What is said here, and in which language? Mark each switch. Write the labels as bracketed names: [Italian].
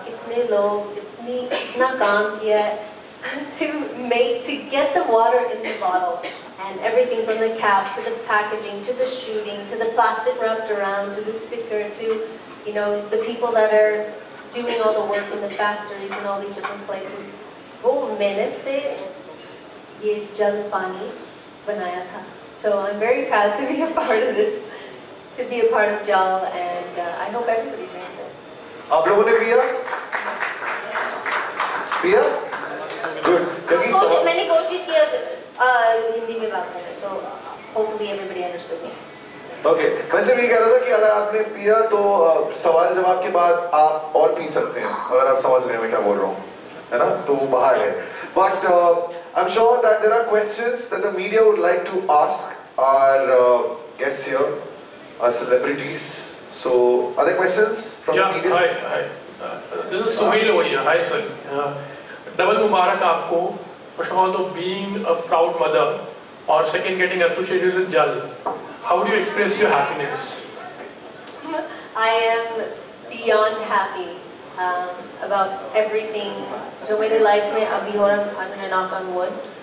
[Hindi] Kitne log itna kaam kiya [English] to get the water in the bottle, and everything from the cap to the packaging to the shooting to the plastic wrapped around to the sticker to, you know, the people that are doing all the work in the factories and all these different places. [Hindi] Wo mehnat se ye jal pani banaya tha. [English] So I'm very proud to be a part of this, to be a part of Jal, and I hope everybody drinks it. [Hindi] आप लोगों ने पिया? पिया? Good. क्योंकि मैंने कोशिश किया हिंदी में बात करने, सो [English] hopefully everybody understood me. [Hindi] Okay, वैसे भी कह रहा था कि अगर आपने पिया तो सवाल जवाब के बाद आप और पी सकते हैं अगर आप समझ रहे हैं मैं क्या बोल रहा हूँ है ना तो बाहर है [English] but I'm sure that there are questions that the media would like to ask our guests here our celebrities so are there questions from yeah, the media hi this is Suhail over here hi sir [Hindi] double mubarak aapko [English] first of all to being a proud mother or second getting associated with Jal how do you express your happiness I am beyond happy about everything [Hindi] जो मेरे life में अभी हो रहा है, [English] I'm gonna knock on wood.